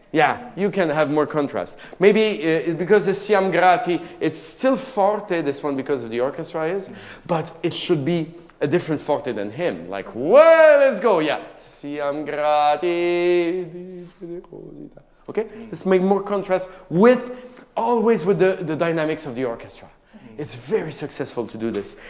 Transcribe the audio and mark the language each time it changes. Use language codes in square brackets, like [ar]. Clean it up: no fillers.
[en] Yeah, you can have more contrast. Maybe because the [it] Siam Grati, [en] it's still forte, this one, because of the orchestra is, but it should be a different forte than him. Like, well, let's go, yeah. [it] Siam Grati, di generosità. [en] Okay, let's make more contrast with, always with the dynamics of the orchestra. Mm-hmm. It's very successful to do this.